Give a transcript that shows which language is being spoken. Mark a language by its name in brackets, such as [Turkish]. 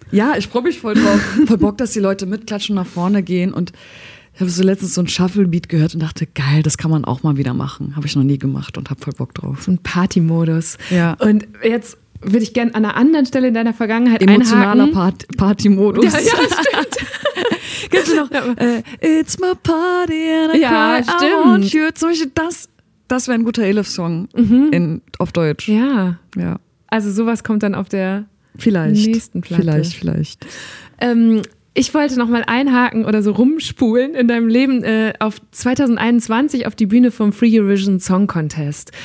[German] Ja, ich freue mich voll drauf. Voll Bock, dass die Leute mitklatschen, nach vorne gehen. Und ich habe so letztens so ein Shuffle-Beat gehört und dachte, geil, das kann man auch mal wieder machen. Habe ich noch nie gemacht und habe voll Bock drauf. So ein Party-Modus. Ja. Und jetzt würde ich gerne an einer anderen Stelle in deiner Vergangenheit emotionaler einhaken. Party-Modus. Ja, stimmt. Kennst du noch? [English] It's my party and I cry, I want you. [German] Zum Beispiel das wäre ein guter Elif-Song auf Deutsch. Ja. Ja. Also sowas kommt dann auf der nächsten Platte. Vielleicht. Ich wollte nochmal einhaken oder so rumspulen in deinem Leben auf 2021 auf die Bühne vom Free Eurovision Song Contest.